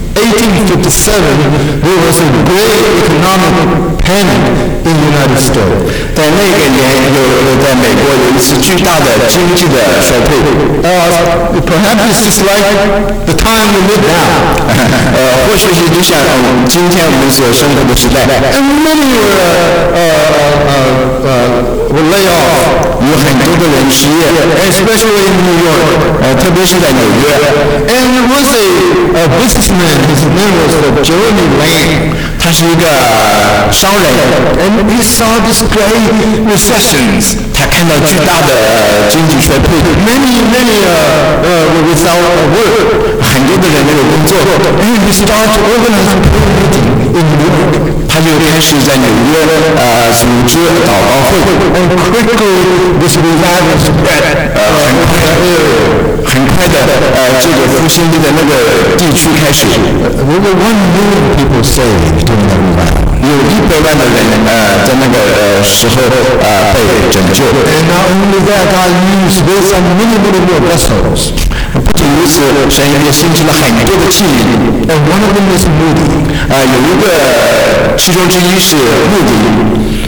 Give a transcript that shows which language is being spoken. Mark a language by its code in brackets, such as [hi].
[en] In 1857, there was a great economic panic in the United States. [zh] 在那个年，在美国有一次巨大的经济的衰退。 [en] Perhaps it's just like the time we live now. [zh] 或许也就像今天我们所生活的时代。 [en] And many were lay off. [zh] 有很多的人失业。 [en] Especially in New York. [zh] 特别是在纽约。 [en] And there was a businessman, his name was Jeremy Lane. [zh] 他是一个商人 [en] ，and he saw this great recessions. [zh] 他看到巨大的经济衰退 [en] ，many without work. [zh] 很多的人没有工作 [en] ，and he started organizing a meeting in New York. [zh] 他就开始在纽约组织祷告会 [en] ，and quickly this revival spread. [zh] 很快很快的这个复兴的那个地区开始。 [en] We were 1 million people saved during that revival. [zh] 有100万的人在那个时候被拯救。 [en] And not only that, God used this and many more vessels. [zh] 不仅如此，神也兴起了很多的器皿。 [en] And one of them is Moody. [zh] 有一个，其中之一是穆迪。